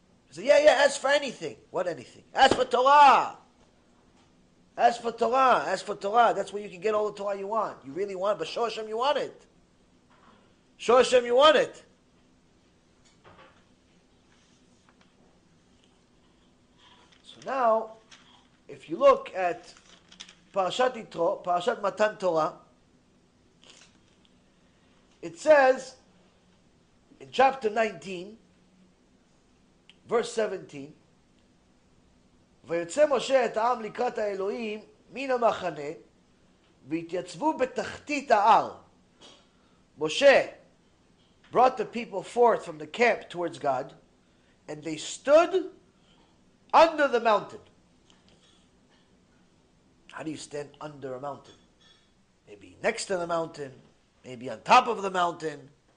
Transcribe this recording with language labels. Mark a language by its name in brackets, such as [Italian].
[English] So yeah, ask for anything. What anything? Ask for Torah. That's where you can get all the Torah you want. You really want, but show Hashem you want it. So now, if you look at Parashat Yitro, Parashat Matan Torah, it says in chapter 19, verse 17, [Hebrew] ויוצא משה את העם לקראת האלוהים מן המחנה והתייצבו בתחתית ההר. [English] Moshe brought the people forth from the camp towards God and they stood under the mountain. How do you stand under a mountain? Maybe next to the mountain, maybe on top of the mountain.